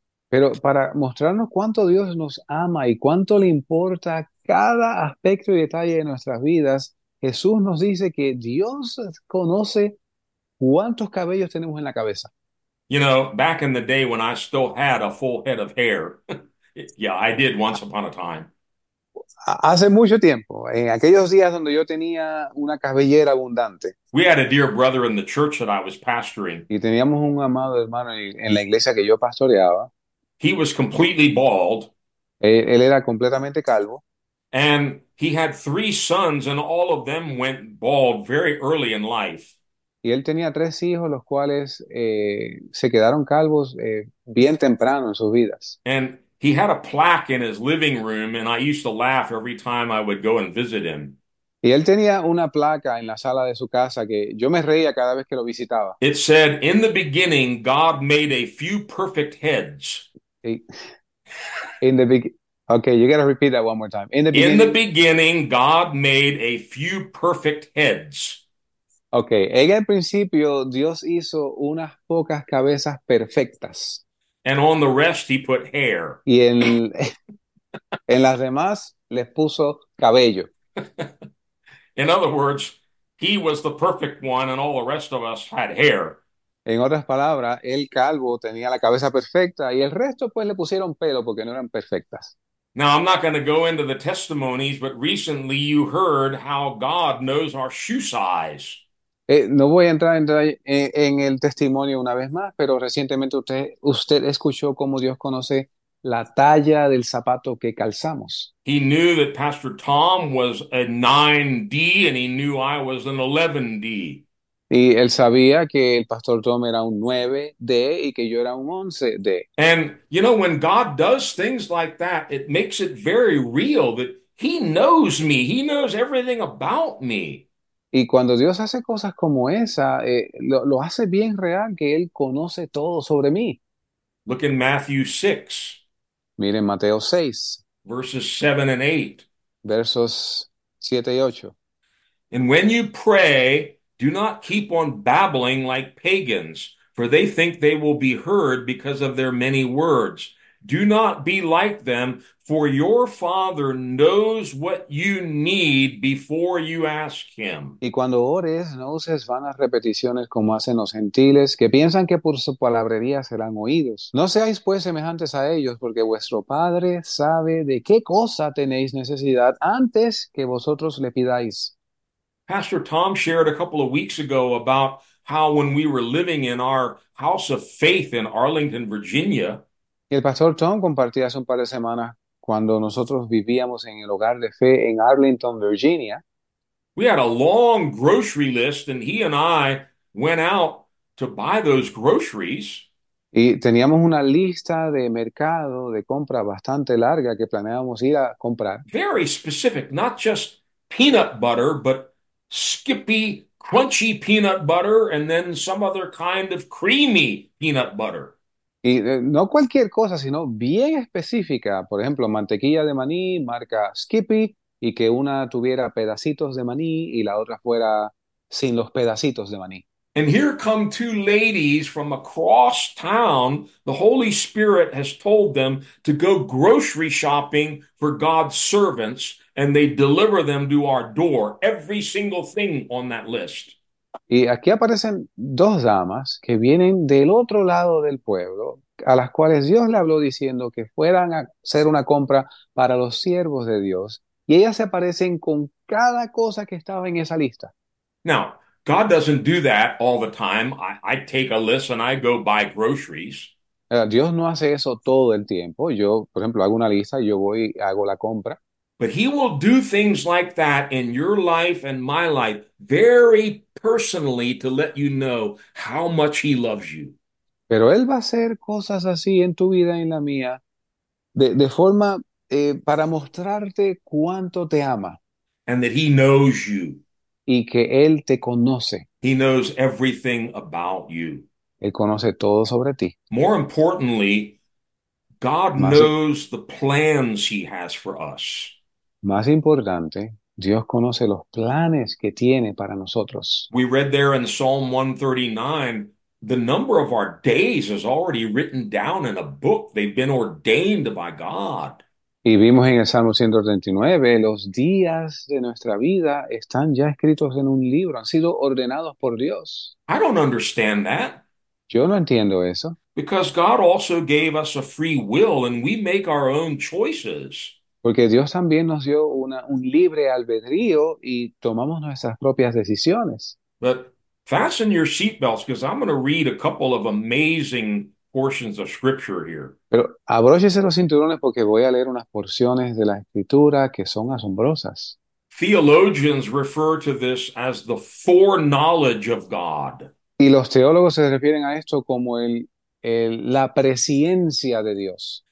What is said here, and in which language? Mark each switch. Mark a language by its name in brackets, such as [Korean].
[Spanish] Pero para mostrarnos cuánto Dios nos ama y cuánto le importa cada aspecto y detalle de nuestras vidas, Jesús nos dice que Dios conoce cuántos cabellos tenemos en la cabeza. [English] You know, back in the day when I still had a full head of hair, yeah, I did once upon a time. [Spanish] Hace mucho tiempo, en aquellos días donde yo tenía una cabellera abundante, [English] We had a dear brother in the church that I was pastoring. [Spanish] y teníamos un amado hermano en la iglesia que yo pastoreaba, [English] He was completely bald, [Spanish] él era completamente calvo. [English] and he had three sons, and all of them went bald very early in life. [Spanish] Y él tenía tres hijos, los cuales se quedaron calvos bien temprano en sus vidas. [English] And he had a plaque in his living room, and I used to laugh every time I would go and visit him. [Spanish] Y él tenía una placa en la sala de su casa que yo me reía cada vez que lo visitaba. [English] It said, "In the beginning, God made a few perfect heads." Okay, you gotta repeat that one more time. In the In the beginning. beginning, God made a few perfect heads. [Spanish] Okay, en el principio Dios hizo unas pocas cabezas perfectas. [English] And on the rest, he put hair. [Spanish] Y en las demás les puso cabello. [English] In other words, he was the perfect one, and all the rest of us had hair. [Spanish] En otras palabras, el calvo tenía la cabeza perfecta y el resto pues le pusieron pelo porque no eran perfectas. [English] Now, I'm not going to go into the testimonies, but recently you heard how God knows our shoe size. [Spanish] No voy a entrar en el testimonio una vez más, pero recientemente usted escuchó cómo Dios conoce la talla del zapato que calzamos. [English] He knew that Pastor Tom was a 9D and he knew I was an 11D. [Spanish] Y él sabía que el pastor Tom era un 9D y que yo era un 11D. [English] And you know, when God does things like that, it makes it very real that He knows me, He knows everything about me. [Spanish] Y cuando Dios hace cosas como esa, lo hace bien real que Él conoce todo sobre mí. [English] Look in Matthew 6. [Spanish] Miren Mateo 6, [English] Verses 7 and 8. [Spanish] versos 7 y 8. [English] And when you pray, do not keep on babbling like pagans, for they think they will be heard because of their many words. Do not be like them, for your Father knows what you need before you ask Him. [Spanish] Y cuando ores, no uses vanas repeticiones como hacen los gentiles, que piensan que por su palabrería serán oídos. No seáis pues semejantes a ellos, porque vuestro Padre sabe de qué cosa tenéis necesidad antes que vosotros le pidáis. [English] Pastor Tom shared a couple of weeks ago about how when we were living in our house of faith in Arlington, Virginia, [Spanish] Y el pastor Tom compartía hace un par de semanas cuando nosotros vivíamos en el hogar de fe en Arlington, Virginia. [English] we had a long grocery list and he and I went out to buy those groceries. [Spanish] Y teníamos una lista de mercado de compra bastante larga que planeábamos ir a comprar. [English] Very specific, not just peanut butter, but Skippy crunchy peanut butter and then some other kind of creamy peanut butter. [Spanish] Y no cualquier cosa, sino bien específica. Por ejemplo, mantequilla de maní, marca Skippy, y que una tuviera pedacitos de maní y la otra fuera sin los pedacitos de maní. [English] And here come two ladies from across town. The Holy Spirit has told them to go grocery shopping for God's servants. And they deliver them to our door, every single thing on that list. [Spanish] Y aquí aparecen dos damas que vienen del otro lado del pueblo, a las cuales Dios le habló diciendo que fueran a hacer una compra para los siervos de Dios, y ellas se aparecen con cada cosa que estaba en esa lista. [English] Now, God doesn't do that all the time. I take a list and I go buy groceries. [Spanish] Dios no hace eso todo el tiempo. Yo, por ejemplo, hago una lista, yo voy, hago la compra. [English] But he will do things like that in your life and my life very personally to let you know how much he loves you. [Spanish] Pero él va a hacer cosas así en tu vida y en la mía, de forma para mostrarte cuánto te ama. [English] And that he knows you. [Spanish] y que Él te conoce. [English] He knows everything about you. [Spanish] Él conoce todo sobre ti. [English] More importantly, God knows the plans he has for us. [Spanish] Más importante, Dios conoce los planes que tiene para nosotros. [English] We read there in Psalm 139, the number of our days is already written down in a book. They've been ordained by God. [Spanish] Y vimos en el Salmo 139, los días de nuestra vida están ya escritos en un libro, han sido ordenados por Dios. [English] I don't understand that. [Spanish] Yo no entiendo eso. [English] Because God also gave us a free will and we make our own choices. [Spanish] Porque Dios también nos dio un libre albedrío y tomamos nuestras propias decisiones. [English] But fasten your seatbelts because I'm going to read a couple of amazing portions of scripture here. [Spanish] Pero abróchese los cinturones porque voy a leer unas porciones de la escritura que son asombrosas. [English] Theologians refer to this as the foreknowledge of God. [Spanish] Y los teólogos se refieren a esto como la presciencia de Dios.